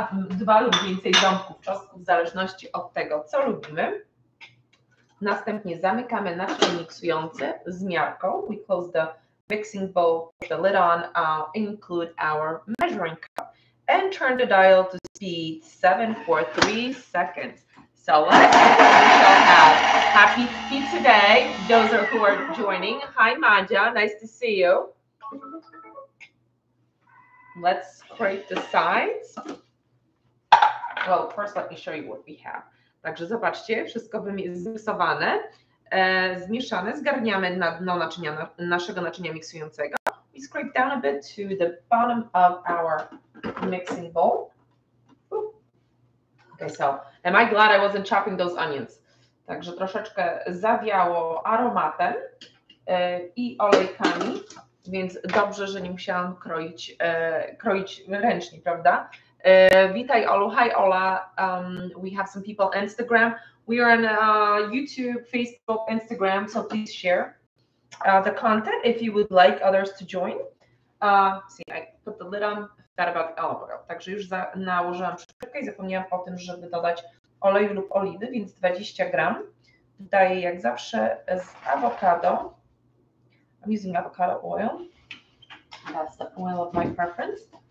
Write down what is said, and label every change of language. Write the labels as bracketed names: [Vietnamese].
[Polish] Dwa lub więcej ząbków czosnku, w zależności od tego, co lubimy. Następnie zamykamy naczynie miksujące z miarką. [English] We close the mixing bowl, put the lid on, include our measuring cup. And turn the dial to speed 7 for 3 seconds. So let's have happy pizza day. Those are who are joining. Hi, Maja. Nice to see you. Let's scrape the sides. Well, first let me show you what we have. [Polish] Także zobaczcie, wszystko wymiksowane, zmieszane. Zgarniamy na dno naczynia, naszego naczynia miksującego. [English] We scrape down a bit to the bottom of our mixing bowl. Okay, so am I glad I wasn't chopping those onions? [Polish] Także troszeczkę zawiało aromatem I olejkami, więc dobrze, że nie musiałam kroić ręcznie, prawda? Witaj Olu, [English] hi Ola. We have some people on Instagram. We are on YouTube, Facebook, Instagram, so please share the content if you would like others to join. See, I put the lid on. About the olive oil. [Polish] Także już nałożyłam przyczepkę I zapomniałam o tym, żeby dodać oleju lub oliwy, więc 20 gram. Dodaję jak zawsze z awokado. [English] I'm using avocado oil. That's the oil of my preference.